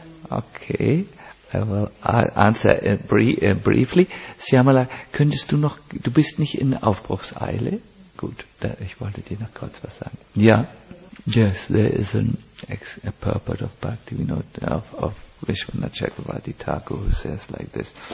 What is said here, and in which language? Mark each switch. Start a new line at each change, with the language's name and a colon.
English: Okay, I will answer briefly.
German: Siamala, könntest du noch, du bist nicht in Aufbruchseile? Gut, ich wollte dir noch kurz was sagen.
English: Ja, yes, there is a purport of Bhaktivinoda, of Vishwana Chakravarti Thakur, who says like this.